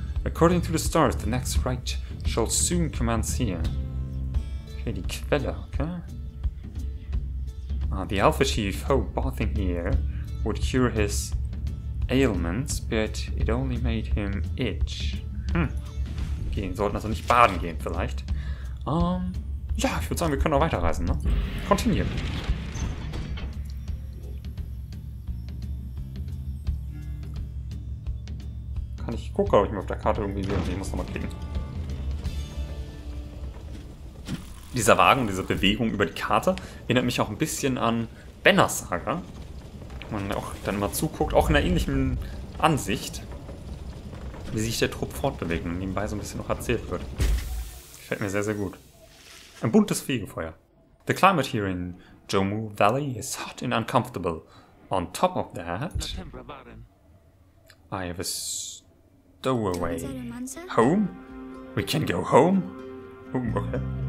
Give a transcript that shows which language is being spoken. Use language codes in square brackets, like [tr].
[en] According to the stars, the next rite shall soon commence here. [de] Okay, die Quelle, okay? [en] The Alpha Chief hoped bathing here would cure his ailments, but it only made him itch. [de] Okay, wir sollten also nicht baden gehen, vielleicht. Ja, ich würde sagen, wir können auch weiterreisen, ne? [en] Continue. [de] Kann ich gucken, ob ich mir auf der Karte irgendwie sehe. Ich muss nochmal klicken. Dieser Wagen, diese Bewegung über die Karte, erinnert mich auch ein bisschen an Banner Saga. Man auch dann mal zuguckt, auch in einer ähnlichen Ansicht, wie sich der Trupp fortbewegt und nebenbei so ein bisschen noch erzählt wird. Gefällt mir sehr, sehr gut. Ein buntes Fegefeuer. [en] The climate here in Jomu Valley is hot and uncomfortable. On top of that, I have a stowaway home. We can go home. Okay.